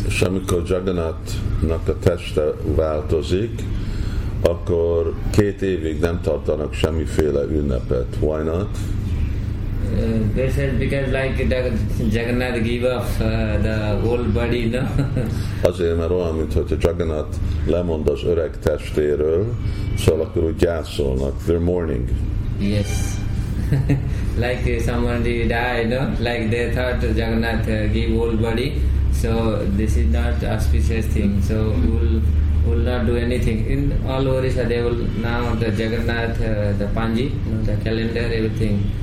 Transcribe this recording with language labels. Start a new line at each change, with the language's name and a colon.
Hungarian: És amikor Jagannathnak a teste változik, akkor 2 évig nem tartanak semmiféle ünnepet.
English: Why not? They said because like Jagannath give up the old body, no?
Hungarian: Azért, mert olyan, mintha Jagannath lemond az öreg testéről, szóval akkor úgy gyászolnak.
English: They're mourning. Yes. Like somebody died, no? Like they thought Jagannath gave old body, so this is not auspicious thing. So we'll not do anything. In all Orissa, they will now the Jagannath, the Panji, no, the calendar, everything.